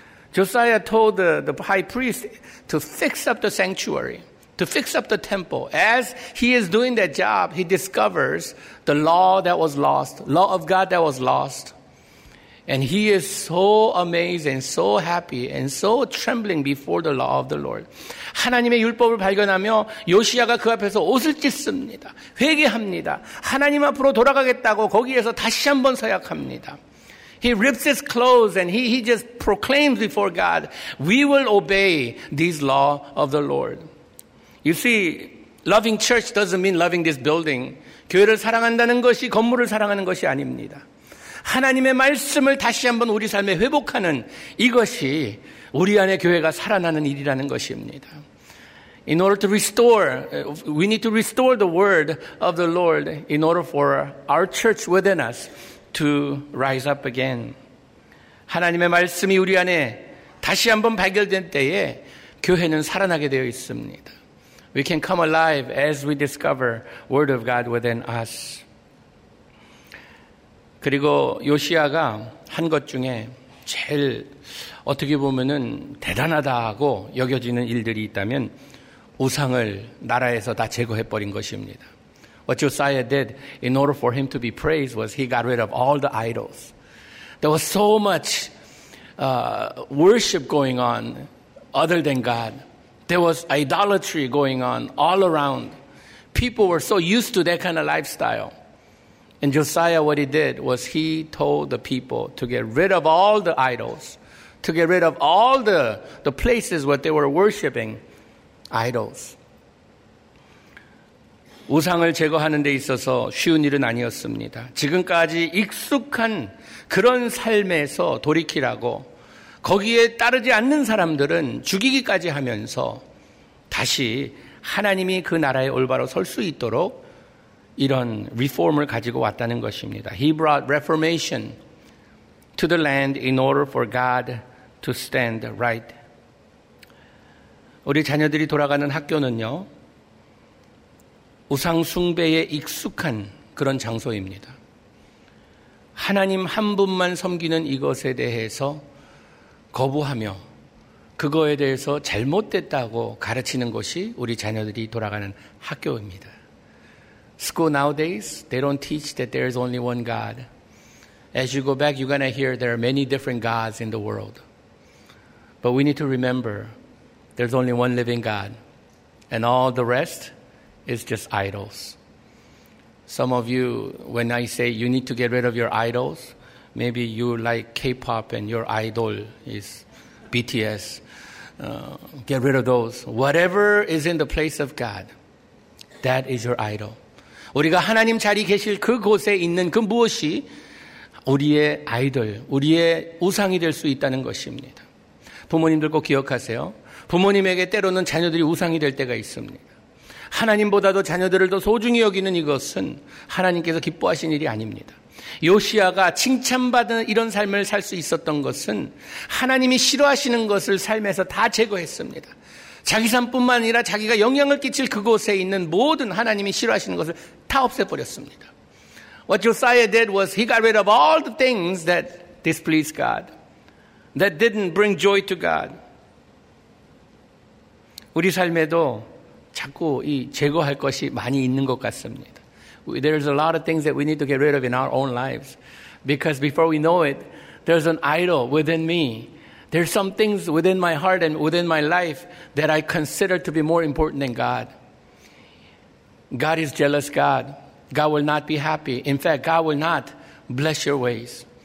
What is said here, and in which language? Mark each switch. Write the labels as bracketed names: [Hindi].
[English] Josiah told the high priest to fix up the sanctuary, to fix up the temple. As he is doing that job, he discovers the law that was lost, law of God that was lost. And he is so amazed and so happy and so trembling before the law of the Lord. [Korean] 하나님의 율법을 발견하며 요시야가 그 앞에서 옷을 찢습니다. 회개합니다. 하나님 앞으로 돌아가겠다고 거기에서 다시 한번 서약합니다. [English] He rips his clothes and he just proclaims before God, "We will obey this law of the Lord." You see, loving church doesn't mean loving this building. [Korean] 교회를 사랑한다는 것이 건물을 사랑하는 것이 아닙니다. 하나님의 말씀을 다시 한번 우리 삶에 회복하는 이것이 우리 안에 교회가 살아나는 일이라는 것입니다. [English] In order to restore, we need to restore the word of the Lord in order for our church within us to rise up again. [Korean] 하나님의 말씀이 우리 안에 다시 한번 발견된 때에 교회는 살아나게 되어 있습니다. [English] We can come alive as we discover word of God within us. [Korean] 그리고 요시야가 한 것 중에 제일 어떻게 보면은 대단하다고 여겨지는 일들이 있다면 우상을 나라에서 다 제거해 버린 것입니다. [English] What Josiah did in order for him to be praised was he got rid of all the idols. There was so much worship going on other than God. There was idolatry going on all around. People were so used to that kind of lifestyle. And Josiah, what he did was he told the people to get rid of all the idols, to get rid of all the places where they were worshiping idols. [Korean] 우상을 제거하는 데 있어서 쉬운 일은 아니었습니다. 지금까지 익숙한 그런 삶에서 돌이키라고 거기에 따르지 않는 사람들은 죽이기까지 하면서 다시 하나님이 그 나라에 올바로 설 수 있도록 이런 reform을 가지고 왔다는 것입니다. [English] He brought reformation to the land in order for God to stand right. [Korean] 우리 자녀들이 돌아가는 학교는요, 우상 숭배에 익숙한 그런 장소입니다. 하나님 한 분만 섬기는 이것에 대해서 거부하며 그거에 대해서 잘못됐다고 가르치는 것이 우리 자녀들이 돌아가는 학교입니다. [English] School nowadays, they don't teach that there is only one God. As you go back, you're going to hear there are many different gods in the world. But we need to remember there's only one living God. And all the rest is just idols. Some of you, when I say you need to get rid of your idols, maybe you like K-pop and your idol is BTS. Get rid of those. Whatever is in the place of God, that is your idol. [Korean] 우리가 하나님 자리 계실 그 곳에 있는 그 무엇이 우리의 아이돌, 우리의 우상이 될 수 있다는 것입니다. 부모님들 꼭 기억하세요. 부모님에게 때로는 자녀들이 우상이 될 때가 있습니다. 하나님보다도 자녀들을 더 소중히 여기는 이것은 하나님께서 기뻐하신 일이 아닙니다. 요시아가 칭찬받은 이런 삶을 살 수 있었던 것은 하나님이 싫어하시는 것을 삶에서 다 제거했습니다. 자기 삶뿐만 아니라 자기가 영향을 끼칠 그곳에 있는 모든 하나님이 싫어하시는 것을 다 없애버렸습니다. [English] What Josiah did was he got rid of all the things that displeased God, that didn't bring joy to God. [Korean] 우리 삶에도 자꾸 이 제거할 것이 많이 있는 것 같습니다. [English] There's a lot of things that we need to get rid of in our own lives. Because before we know it, there's an idol within me. There's some things within my heart and within my life that I consider to be more important than God. God is jealous God. God will not be happy. In fact, God will not bless your ways.